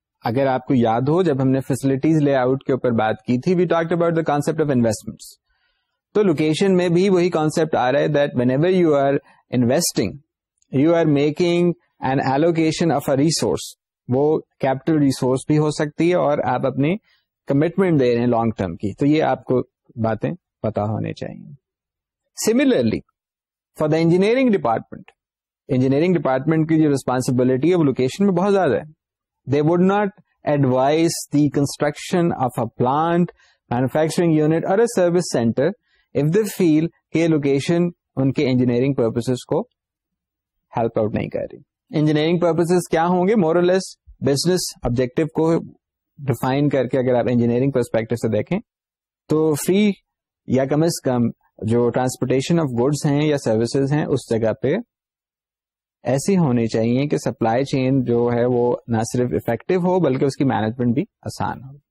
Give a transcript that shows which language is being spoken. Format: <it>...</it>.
<ur>اگر آپ کو یاد ہو جب ہم نے فیسلٹیز لے آؤٹ کے اوپر بات کی تھی,</ur> <en>we talked about the concept of investments,</en> <ur>تو لوکیشن میں بھی وہی کانسیپٹ آ رہا ہے</ur> <en>that whenever you are investing you are making an allocation of a resource,</en> <ur>وہ کیپٹل ریسورس بھی ہو سکتی ہے اور آپ اپنی کمٹمنٹ دے رہے ہیں لانگ ٹرم کی, تو یہ آپ کو باتیں پتا ہونے چاہیے.</ur> <en>similarly for the engineering department,</en> <ur>engineering department کی جو ریسپانسبلٹی ہے وہ لوکیشن میں بہت زیادہ ہے.</ur> <en>They would not advise the construction of a plant, manufacturing unit or a service center if they feel</en> <ur>کہ location ان کے انجینئرنگ پرپسز کو ہیلپ آؤٹ نہیں کر رہی. انجینئرنگ پرپسز کیا ہوں گے؟ مور اور لیس بزنس آبجیکٹو کو ڈیفائن کر کے اگر آپ انجینئرنگ پرسپیکٹو سے دیکھیں تو فری یا کم از کم جو ٹرانسپورٹیشن آف گوڈس ہیں یا سروسز ہیں اس جگہ پہ ایسی ہونی چاہیے کہ سپلائی چین جو ہے وہ نہ صرف افیکٹو ہو بلکہ اس کی مینجمنٹ بھی آسان ہو.</ur>